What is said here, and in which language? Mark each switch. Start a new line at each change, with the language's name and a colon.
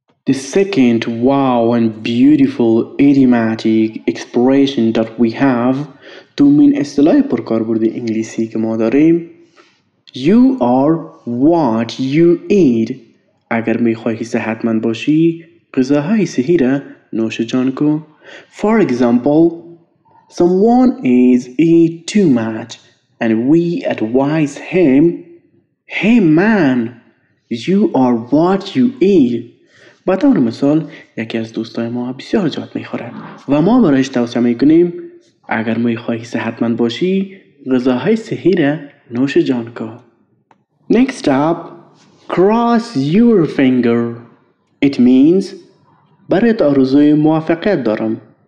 English: The second wow and beautiful idiomatic expression that we have,
Persian: دومین اصطلاح پرکاربردی انگلیسی که ما داریم,
English: You are what you eat.
Persian: اگر میخواهی صحتمند باشی, غذاهای صحی را نوش جان کو.
English: For example, Someone is eat too much and we advise him, Hey man, you are what you eat.
Persian: به طور مثال, یکی از دوستای ما بسیار جات میخورد و ما برایش توصیه میکنیم, اگر میخواهی صحتمند باشی, غذاهای صحی را نوش جان کو.
English: Next up, cross your finger. It means,
Persian: برایت آرزوی موفقیت دارم.